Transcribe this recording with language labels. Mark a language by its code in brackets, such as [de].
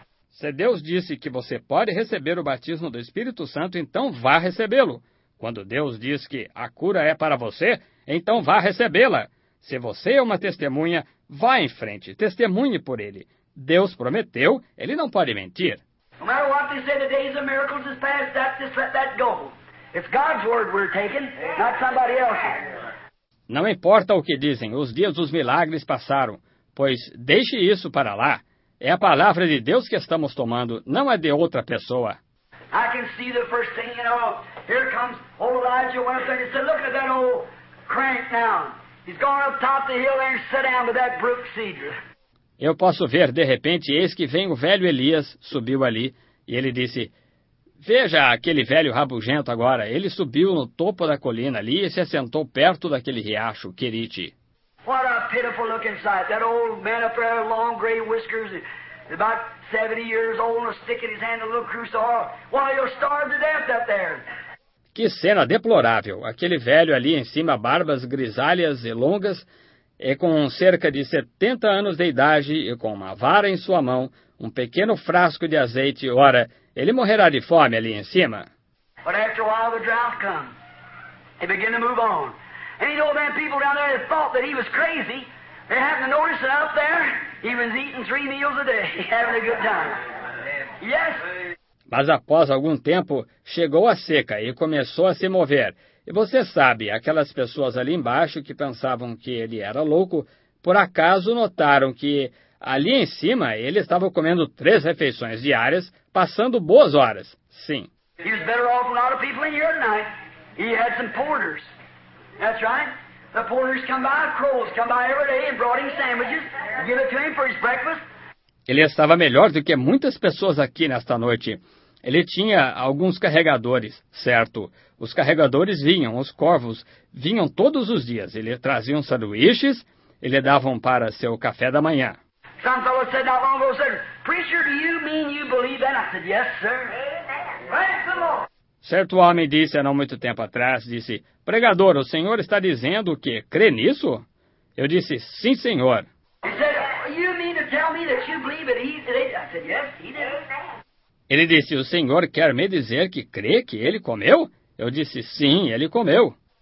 [pt] Se Deus disse que você pode receber o batismo do Espírito Santo, então vá recebê-lo. Quando Deus diz que a cura é para você, então vá recebê-la. Se você é uma testemunha, vá em frente, testemunhe por ele. Deus prometeu, ele não pode mentir. [en] No matter what they say, the days of miracles is past, that, just let that go. It's God's word we're taking, not somebody else's. [pt] Não importa o que dizem, os dias dos milagres passaram, pois deixe isso para lá. É a palavra de Deus que estamos tomando, não é de outra pessoa. [en] I can see the first thing, you know, here comes old Elijah went up there and said, look at that old crank now. He's gone up top the hill there and sit down to that brook cedar. [pt] Eu posso ver, de repente, eis que vem o velho Elias, subiu ali, e ele disse, veja aquele velho rabugento agora, ele subiu no topo da colina ali e se assentou perto daquele riacho, Querite. [en] What a pitiful looking sight, that old man up there, long gray whiskers, about 70 years old, a stick in his hand, a little crucifix, why, he'll starve to death up there. [pt] Que cena deplorável, aquele velho ali em cima, barbas grisalhas e longas, e com cerca de 70 anos de idade e com uma vara em sua mão, um pequeno frasco de azeite, ora, ele morrerá de fome ali em cima. [en] But after a while the drought comes. They begin to move on. And the old man people down there thought that he was crazy. They happened to notice that up there he was eating 3 meals a day, having a good time. Yes. [pt] Mas após algum tempo, chegou a seca e começou a se mover. E você sabe, aquelas pessoas ali embaixo que pensavam que ele era louco, por acaso notaram que ali em cima ele estava comendo 3 refeições diárias, passando boas horas. Sim. [en] He was better off than a lot of people in here tonight. He had some porters. That's right. The porters come by, crows come by every day and brought him sandwiches. Give it to him for his breakfast. [pt] Ele estava melhor do que muitas pessoas aqui nesta noite. Ele tinha alguns carregadores, certo? Os carregadores vinham, os corvos vinham todos os dias. Ele trazia uns sanduíches e lhe davam para seu café da manhã. [en] Some fellow said not long ago, said, preacher, do you mean you believe that? I said, yes, sir. Amen. Praise the Lord. [pt] Certo homem disse há não muito tempo atrás, disse, pregador, o senhor está dizendo o quê? Crê nisso? Eu disse, sim, senhor. [en] He said, you mean to tell me that you believe that he did it? I said, yes, he did. Amen. [pt] Ele disse, o senhor quer me dizer que crê que ele comeu? Eu disse, sim, ele comeu.